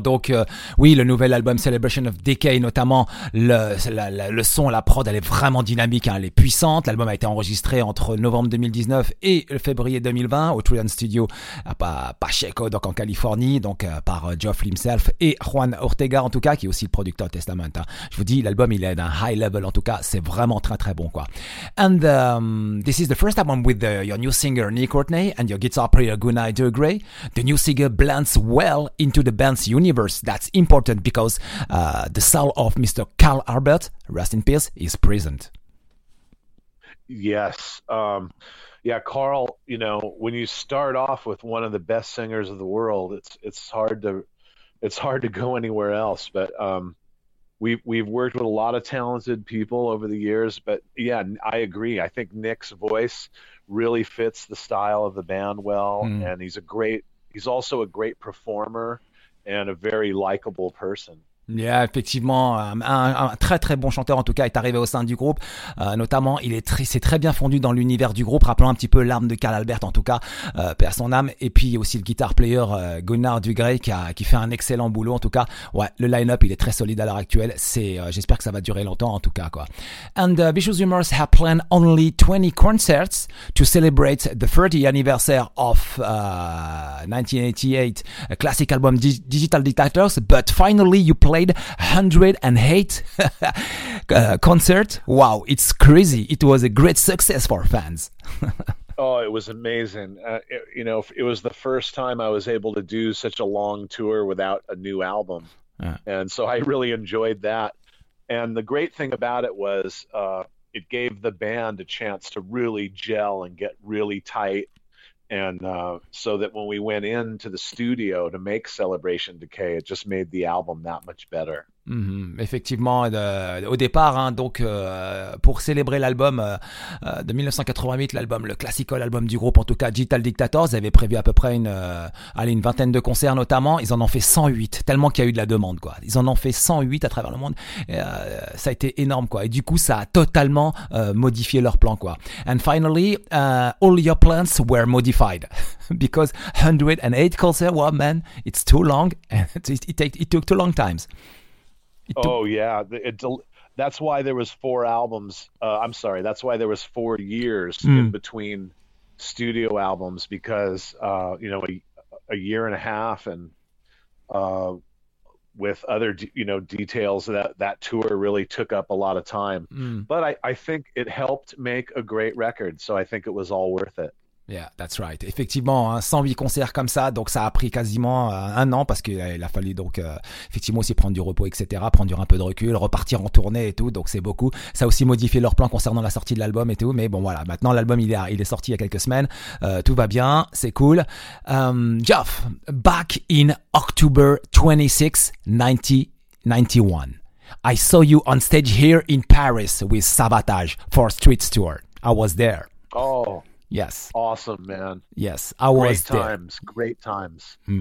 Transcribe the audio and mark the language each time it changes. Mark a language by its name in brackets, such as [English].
[French] Donc, le nouvel album Celebration of Decay, notamment le son, la prod, elle est vraiment dynamique, hein, elle est puissante. L'album a été enregistré entre novembre 2019 et le février 2020 au Trident Studio à Pacheco, donc en Californie, donc par Geoff himself et Juan Ortega, en tout cas, qui est aussi le producteur de Testament. Hein. Je vous dis, l'album, il est d'un high level, en tout cas, c'est vraiment très très bon, quoi. [English] And this is the first album with your new singer Nick Courtney and your guitar player Gunnar Degray. The new singer blends well into the band's universe. That's important because the soul of Mr. Carl Albert, rest in peace, is present. Yes. Carl, you know, when you start off with one of the best singers of the world, it's hard to go anywhere else. But we've worked with a lot of talented people over the years. But yeah, I agree. I think Nick's voice really fits the style of the band well. Mm. And he's also a great performer and a very likable person. [French] Yeah, effectivement, un très très bon chanteur, en tout cas, est arrivé au sein du groupe. Notamment, c'est très bien fondu dans l'univers du groupe, rappelant un petit peu l'âme de Carl Albert, en tout cas, paix à son âme. Et puis aussi le guitar player Gunnar Degray qui fait un excellent boulot, en tout cas. Ouais, le line-up, il est très solide à l'heure actuelle. J'espère que ça va durer longtemps, en tout cas, quoi. [English] And Vicious Humors have planned only 20 concerts to celebrate the 30th anniversary of 1988 classic album Digital Dictators, but finally you play played 108 concert. Wow, it's crazy. It was a great success for fans. Oh, it was amazing. It was the first time I was able to do such a long tour without a new album. And so I really enjoyed that. And the great thing about it was it gave the band a chance to really gel and get really tight. And so that when we went into the studio to make Celebration Decay, it just made the album that much better. [French] Mmh, effectivement, au départ, hein, donc pour célébrer l'album de 1988, l'album, le classical album du groupe, en tout cas Digital Dictators, ils avaient prévu à peu près une vingtaine de concerts notamment. Ils en ont fait 108, tellement qu'il y a eu de la demande, quoi. Ils en ont fait 108 à travers le monde, et, ça a été énorme, quoi. Et du coup, ça a totalement modifié leur plan, quoi. [English] And finally, all your plans were modified because 108 concerts, well, man, it's too long and it took too long times. Oh yeah, that's why there was four albums. I'm sorry, that's why there was 4 years in between studio albums, because a year and a half, and with other details, that tour really took up a lot of time. But I think it helped make a great record, so I think it was all worth it. Yeah, that's right. [French] Effectivement, hein, 108 concerts comme ça, donc ça a pris quasiment un an, parce qu'il a fallu donc effectivement aussi prendre du repos, etc., prendre un peu de recul, repartir en tournée et tout, donc c'est beaucoup. Ça a aussi modifié leur plan concernant la sortie de l'album et tout, mais bon voilà, maintenant l'album il est sorti il y a quelques semaines, tout va bien, c'est cool. [English] Geoff, back in October 26, 1991, I saw you on stage here in Paris with Savatage for Street Tour. I was there. Oh, yes. Awesome, man. Yes, I was there. Great times. Great times.